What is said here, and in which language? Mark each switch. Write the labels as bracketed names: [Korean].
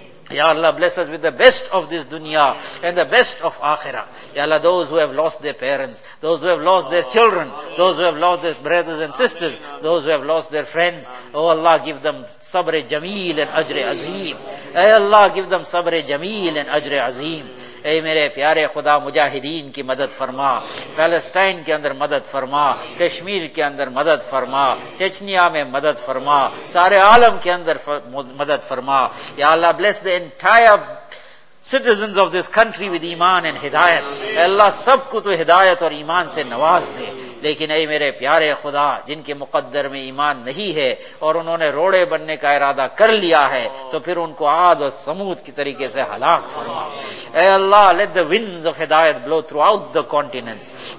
[English] Ya Allah, bless us with the best of this dunya and the best of akhirah. Ya Allah, those who have lost their parents, those who have lost their children, those who have lost their brothers and sisters, those who have lost their friends, oh Allah, give them sabr-e jameel and ajr-e azeem. Ay Allah, give them sabr-e jameel and ajr-e azeem. [Urdu] اے میرے پیارے خدا, مجاہدین کی مدد فرما, Palestine کے اندر مدد فرما, کشمیر کے اندر مدد فرما, چچنیا میں مدد فرما, سارے عالم کے اندر مدد فرما. [English] یا اللہ, bless the entire citizens of this country with ایمان and ہدایت. [Urdu] اے اللہ, سب کو تو ہدایت اور ایمان سے نواز دے. لیکن اے میرے پیارے خدا, جن کے مقدر میں ایمان نہیں ہے اور انہوں نے روڑے بننے کا ارادہ کر لیا ہے, تو پھر ان کو عاد اور سمود کی طریقے سے ہلاک فرما. [English] اے اللہ, let the winds of ہدایت blow throughout the continents.